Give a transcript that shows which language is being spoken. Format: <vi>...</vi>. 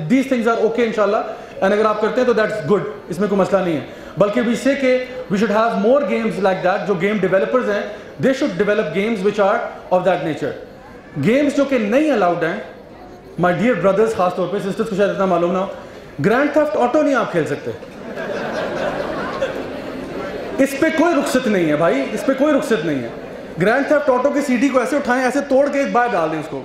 <en>these things are okay</en> <ur>ان شاء اللہ, and اگر آپ کرتے ہیں تو</ur> <en>that's good,</en> <ur>اس میں کوئی مسئلہ نہیں ہے.</ur> <en>بلکہ we say کہ we should have more games like that.</en> <ur>جو گیم ڈیولپرز ہیں,</ur> <en>They should develop games which are of that nature.</en> <ur>Games جو کہ نہیں الاؤڈ ہیں,</ur> <en>my dear brothers,</en> <ur>خاص طور پہ سسٹرز کو شاید اتنا معلوم نہ ہو, گرینڈ تھیفٹ آٹو نہیں آپ کھیل سکتے. اس پہ کوئی رخصت نہیں ہے بھائی, اس پہ کوئی رخصت نہیں ہے. گرینڈ تھیفٹ آٹو کی سی ڈی کو ایسے اٹھائیں, ایسے توڑ کے ایک باہر ڈال دیں اس کو.</ur>